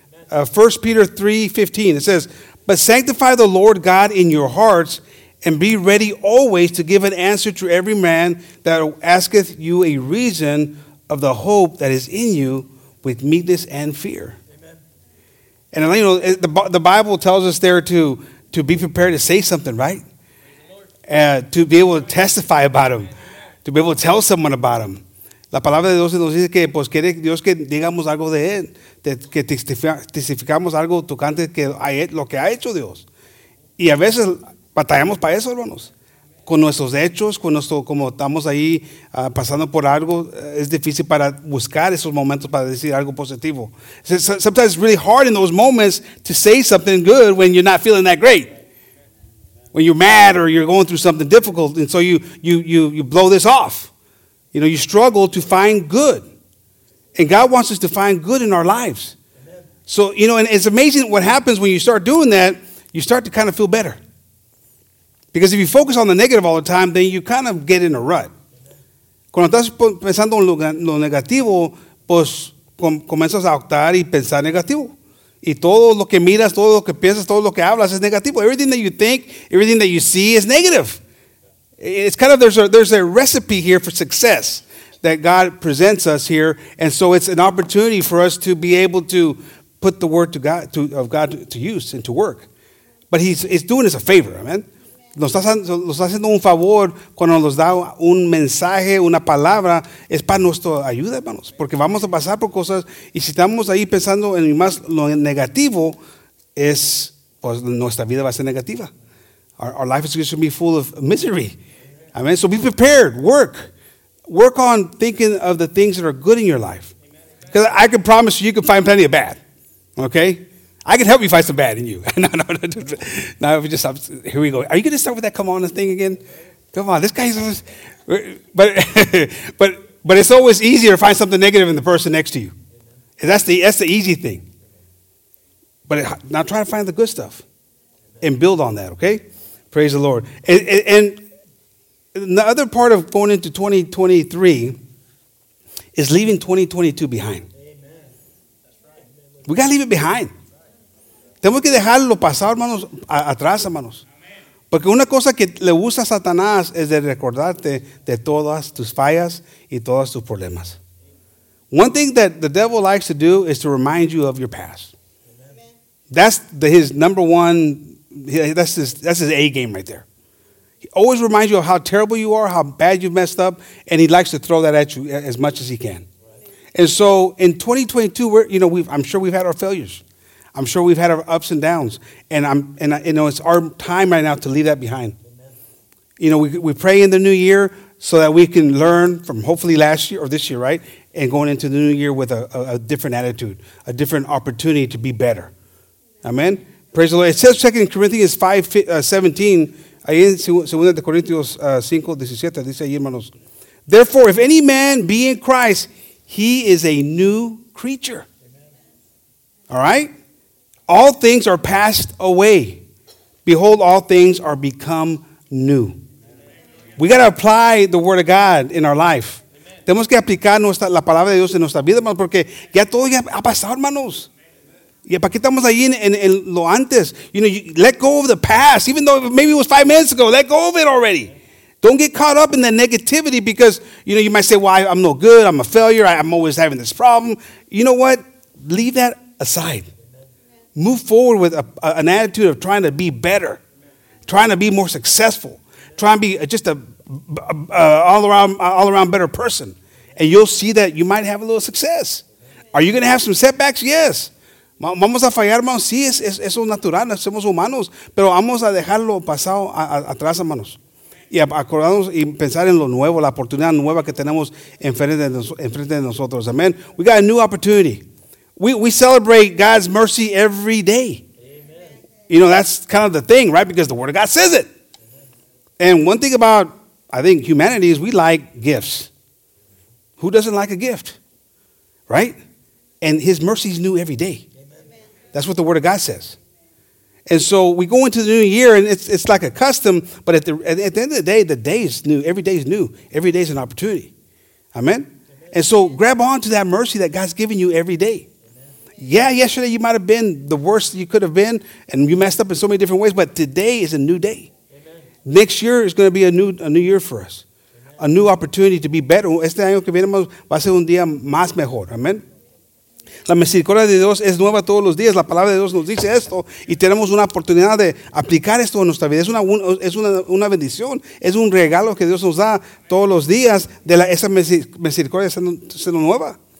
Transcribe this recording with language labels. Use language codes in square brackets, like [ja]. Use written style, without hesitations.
[en] 1 Peter 3, 15, it says, but sanctify the Lord God in your hearts, and be ready always to give an answer to every man that asketh you a reason of the hope that is in you with meekness and fear. Amen. And, you know, the Bible tells us there to be prepared to say something, right? To be able to testify about him. To be able to tell someone about him. [es] La palabra de Dios nos dice que, pues, quiere Dios que digamos algo de él. Que testificamos algo tocante que lo que ha hecho Dios. Y a veces batallamos para eso, hermanos. Con nuestros hechos, con nuestro, como estamos ahí pasando por algo, es difícil para buscar esos momentos para decir algo positivo. [en] Sometimes it's really hard in those moments to say something good when you're not feeling that great. When you're mad or you're going through something difficult, and so you blow this off. You know, you struggle to find good. And God wants us to find good in our lives. So, you know, and it's amazing what happens when you start doing that, you start to kind of feel better. Because if you focus on the negative all the time, then you kind of get in a rut. [es] Cuando estás pensando en lo negativo, pues comienzas a actuar y pensar negativo. Y todo lo que miras, todo lo que piensas, todo lo que hablas es negativo. [en] Everything that you think, everything that you see is negative. It's kind of, there's a recipe here for success that God presents us here. And so it's an opportunity for us to be able to put the word of God to use and to work. But he's doing us a favor, amen. [es] Nos está haciendo un favor cuando nos da un mensaje, una palabra, es para nuestra ayuda, hermanos, porque vamos a pasar por cosas y si estamos ahí pensando en más lo negativo, es pues nuestra vida va a ser negativa. [en] Our life is going to be full of misery. Amen. So be prepared, work on thinking of the things that are good in your life, because I can promise you can find plenty of bad. Okay, I can help you find some bad in you. No, if we just stop. Here we go. Are you going to start with that come on thing again? Come on, this guy's. But it's always easier to find something negative in the person next to you. That's the easy thing. But now try to find the good stuff and build on that, okay? Praise the Lord. And the other part of going into 2023 is leaving 2022 behind. We got to leave it behind. [es] Tenemos que dejarlo pasar, hermanos, atrás, hermanos. Porque una cosa que le gusta a Satanás es de recordarte de todas tus fallas y todos tus problemas. [en] One thing that the devil likes to do is to remind you of your past. That's his number one, that's his A game right there. He always reminds you of how terrible you are, how bad you've messed up, and he likes to throw that at you as much as he can. And so in 2022, I'm sure we've had our failures. I'm sure we've had our ups and downs. And it's our time right now to leave that behind. Amen. You know, we pray in the new year so that we can learn from hopefully last year or this year, right? And going into the new year with a different attitude, a different opportunity to be better. Amen. Praise the Lord. It says 2 Corinthians 5:17. [es] Ahí en 2 Corintios 5:17 dice ahí, hermanos. [en] Therefore, if any man be in Christ, he is a new creature. Amen. All right? All things are passed away. Behold, all things are become new. Amen. We got to apply the word of God in our life. [es] Tenemos que aplicar la palabra de Dios en nuestra vida, hermanos, porque ya todo ya ha pasado, hermanos. Y para qué estamos ahí en lo antes. [en] You know, you let go of the past, even though maybe it was 5 minutes ago. Let go of it already. Don't get caught up in the negativity because, you know, you might say, well, I'm no good. I'm a failure. I'm always having this problem. You know what? Leave that aside. Move forward with an attitude of trying to be better, trying to be more successful, trying to be just an all around better person. And you'll see that you might have a little success. Are you going to have some setbacks? Yes. [es] Vamos a fallar, hermanos. Sí, eso es natural. Somos humanos. Pero vamos a dejarlo pasado atrás, hermanos. Y acordarnos y pensar en lo nuevo, la oportunidad nueva que tenemos enfrente de nosotros. [en] Amen. We got a new opportunity. We celebrate God's mercy every day. Amen. You know, that's kind of the thing, right? Because the Word of God says it. Amen. And one thing about, I think, humanity is we like gifts. Who doesn't like a gift? Right? And His mercy is new every day. That's what the Word of God says. And so we go into the new year, and it's like a custom, but at the end of the day is new. Every day is new. Every day is an opportunity. Amen? Amen. And so grab on to that mercy that God's given you every day. Amen. Yeah, yesterday you might have been the worst you could have been, and you messed up in so many different ways, but today is a new day. Amen. Next year is going to be a new year for us. Amen. A new opportunity to be better. [es] Este año que viene va a ser un día más mejor. Amen? La misericordia de Dios es nueva todos los días. La palabra de Dios nos dice esto. Y tenemos una oportunidad de aplicar esto en nuestra vida. Es una bendición. Es un regalo que Dios nos da todos los días. De esa misericordia siendo nueva.